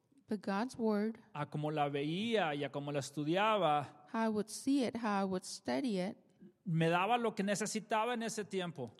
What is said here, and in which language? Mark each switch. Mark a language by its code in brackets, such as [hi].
[en] but God's word, [es] a como la veía y a como la estudiaba, [en] how I would see it, how I would study it, [es] me daba lo que necesitaba en ese tiempo.